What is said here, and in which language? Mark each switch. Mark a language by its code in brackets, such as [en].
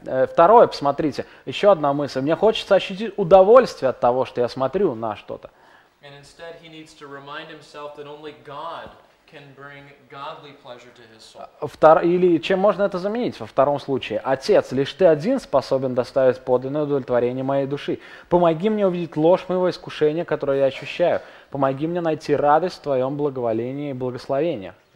[ru] Второе, посмотрите, еще одна мысль. Мне хочется ощутить удовольствие от того, что я смотрю на что-то. [en] And instead he needs to remind himself that only God can bring godly pleasure to his soul. [ru] Или чем можно это заменить во втором случае? Отец, лишь ты один способен доставить подлинное удовлетворение моей души. Помоги мне увидеть ложь моего искушения, которое я ощущаю. Помоги мне найти радость в твоем благоволении и благословении.